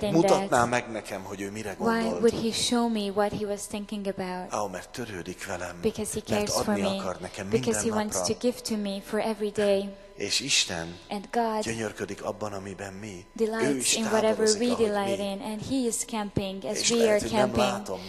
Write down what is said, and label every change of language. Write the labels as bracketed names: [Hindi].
[Hungarian] Miért mutatná meg nekem, hogy ő mire gondolt? [English] Why would he show me what he was thinking about? [Hungarian] Mert törődik velem. [English] Because he cares for me. [Hungarian] Mert adni akar nekem minden napra. [English] Because he wants to give to me for every day. [Hungarian] És Isten gyönyörködik abban, amiben mi. [English] Delights in whatever we delight in, and he is camping as we are camping.